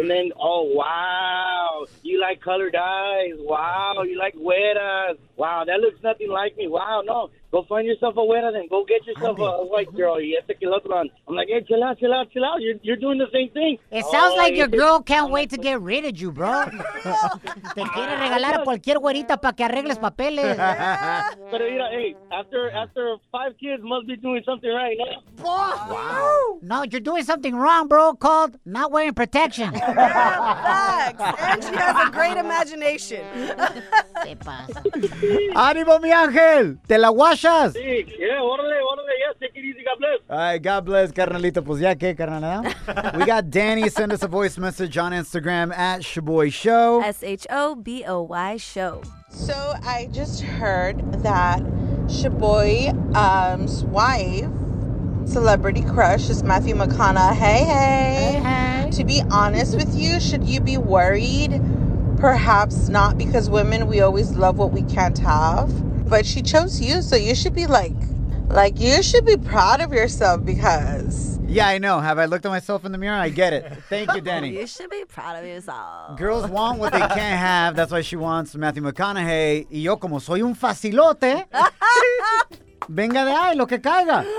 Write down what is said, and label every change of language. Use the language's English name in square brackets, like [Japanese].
[English] And then, oh, wow, you like colored eyes. Wow, you like güeras. Wow, that looks nothing like me. Wow, no. Go find yourself a güera then. Go get yourself a white girl. You have to kill her. I'm like, hey, chill out, chill out, chill out. You're doing the same thing. It sounds like your girl can't wait to get rid of you, bro. [Spanish] Te quiere regalar a cualquier güerita para que arregles papeles. Pero mira, [English] hey, after 5 kids, must be doing something right, no? Wow. No, you're doing something wrong, bro, called not wearing protection. Yeah, facts. And she has a great imagination. [Spanish] ¿Qué pasa? Ánimo, mi ángel. ¿Te la guachas? [English] Sí. Yeah, órale, órale. Yes, take it easy. God bless. All right, God bless, carnalito. [Spanish] Pues ya que, carnal. [English] We got Danny. Send us a voice message on Instagram at Shaboy Show. Shoboy Show. So I just heard that Shaboy's wife, celebrity crush, is Matthew McConaughey. Hey, hey. To be honest with you, should you be worried? Perhaps not, because women, we always love what we can't have. But she chose you, so you should be like you should be proud of yourself, because... Yeah, I know. Have I looked at myself in the mirror? I get it. Thank you, Danny. You should be proud of yourself. Girls want what they can't have. That's why she wants Matthew McConaughey. [Spanish] Y yo como soy un facilote. Venga de ahí, lo que caiga.